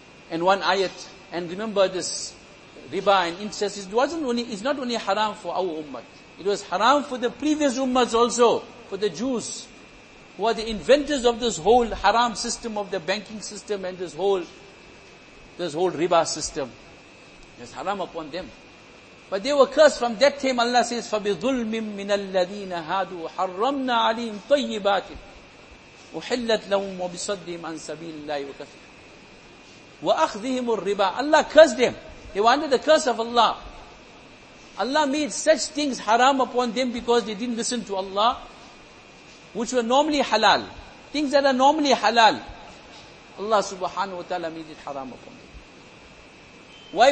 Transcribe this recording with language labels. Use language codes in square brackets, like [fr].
[en] And one ayat, and remember this riba and incest, it's not only haram for our ummah. It was haram for the previous ummahs also, for the Jews, who are the inventors of this whole haram system of the banking system and this whole riba system. It's haram upon them. But they were cursed from that time. Allah says, [ar] فَبِظُلْمٍ مِّنَ الَّذِينَ هَادُوا حَرَّمْنَا عَلِيْهِمْ طَيِّبَاتٍ وَحِلَّتْ لَهُمْ وَبِصَدِّهِمْ عَنْ سَبِيلِ اللَّهِ وَكَفِرٍ وَأَخْذِهِمُ الرِّبَى. [en] Allah cursed them. They were under the curse of Allah. Allah made such things haram upon them because they didn't listen to Allah, which were normally halal. Things that are normally halal, Allah subhanahu wa ta'ala made it haram upon them. Why?